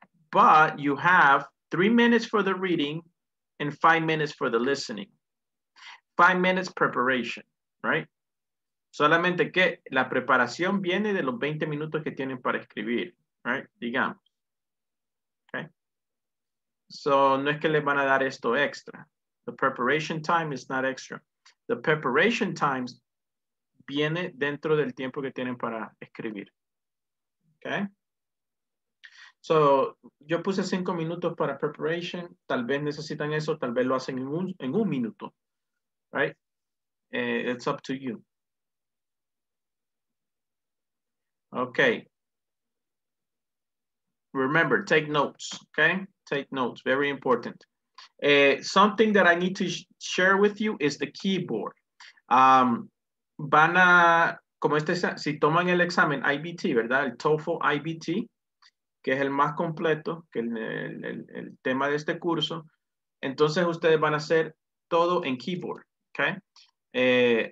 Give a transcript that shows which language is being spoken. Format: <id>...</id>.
<en>But you have 3 minutes for the reading and 5 minutes for the listening. 5 minutes preparation, right?</en> <es>Solamente que la preparación viene de los 20 minutos que tienen para escribir, right? Digamos. Okay? So no es que les van a dar esto extra.</es> <en>The preparation time is not extra. The preparation times</en> <es>viene dentro del tiempo que tienen para escribir.</es> <en>Okay?</en> <es>So, yo puse 5 minutos para preparation. Tal vez necesitan eso, tal vez lo hacen en un minuto.</es> <en>Right? It's up to you. Okay. Remember, take notes. Okay? Take notes. Very important. Something that I need to share with you is the keyboard.</en> <es>Van a, como este, si toman el examen IBT, ¿verdad? El TOEFL IBT, que es el más completo, que el tema de este curso. Entonces, ustedes van a hacer todo en keyboard, ¿ok?</es>